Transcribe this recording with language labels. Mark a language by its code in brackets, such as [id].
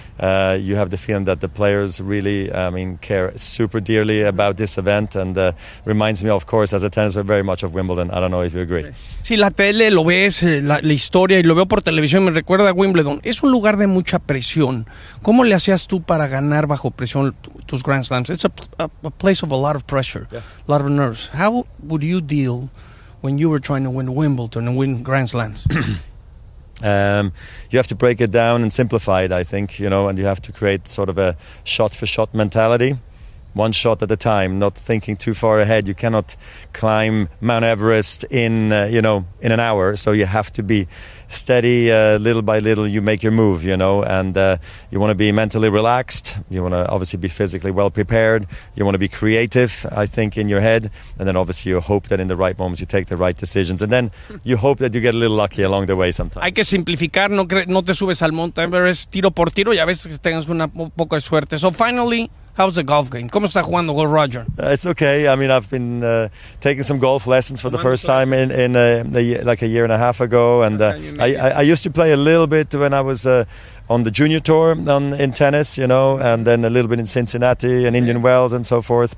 [en] You have the feeling that the players really, care super dearly about this event. And reminds me, of course, as a tennis player, very much of Wimbledon. I don't know if you agree. [es] Sí, la tele, lo ves, la historia, y lo veo por televisión, me recuerda a Wimbledon. Es un lugar de mucha presión. ¿Cómo le hacías tú para ganar bajo presión tus Grand Slams? [en] It's a place of a lot of pressure. Yeah. Of nerves. How would you deal when you were trying to win Wimbledon and win Grand Slams? You have to break it down and simplify it, I think, you know, and you have to create sort of a shot-for-shot mentality, one shot at a time, not thinking too far ahead. You cannot climb Mount Everest in an hour, so you have to be steady, little by little you make your move, you know, and you want to be mentally relaxed, you want to obviously be physically well prepared, you want to be creative, I think, in your head, and then obviously you hope that in the right moments you take the right decisions, and then you hope that you get a little lucky along the way sometimes. [es] Hay que simplificar, no te subes al Mount Everest tiro por tiro y a veces tengas un poco de suerte. [en] So finally, how's the golf game? [es] ¿Cómo está jugando con Roger? [en] It's okay. I mean, I've been taking some golf lessons for the first time in a year and a half ago. And I used to play a little bit when I was on the junior tour in tennis, you know, and then a little bit in Cincinnati and Indian Wells and so forth.